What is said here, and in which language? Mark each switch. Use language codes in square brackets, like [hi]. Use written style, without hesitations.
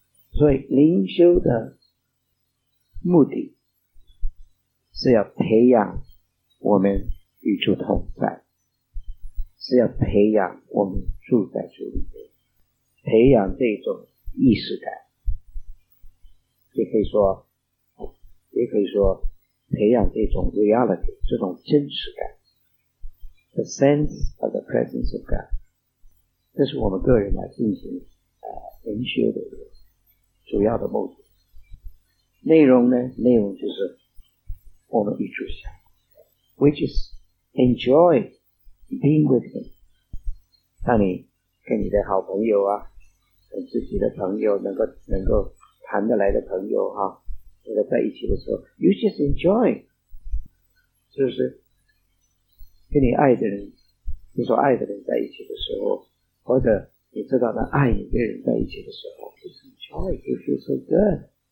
[zh] 所以灵修的目的是要培养我们与主同在，是要培养我们住在主里面，培养这种意识感，也可以说培养这种 reality， 这种真实感， [en] the sense of the presence of God。 [zh] 这是我们个人来进行灵修的主要的目的。内容呢，内容就是我们与主相 [en] we just enjoy being with him. [zh] 让你跟你的好朋友啊，跟自己的朋友能够谈得来的朋友啊，那个在一起的时候 ， [en] you just enjoy， [zh] 是不是？跟你爱的人，你所爱的人在一起的时候，或者你知道的爱你的人在一起的时候 ， [en] just enjoy， you feel so good。